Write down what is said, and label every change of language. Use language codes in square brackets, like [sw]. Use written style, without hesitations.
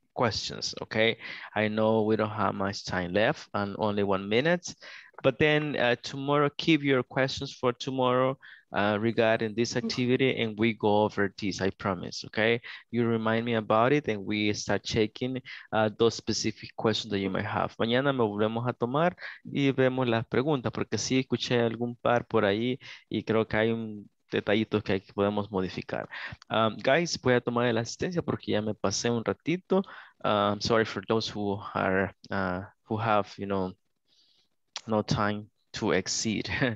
[en] Questions, okay. I know we don't have much time left and only 1 minute, but then tomorrow, keep your questions for tomorrow regarding this activity and we go over this. I promise, okay. You remind me about it and we start checking those specific questions that you might have. [es] Mañana me volvemos a tomar y vemos las preguntas porque sí escuché algún par por ahí y creo que hay un detallitos que podemos modificar. Guys, voy a tomar la asistencia porque ya me pasé un ratito. [en] Sorry for those who have, you know, no time to exceed.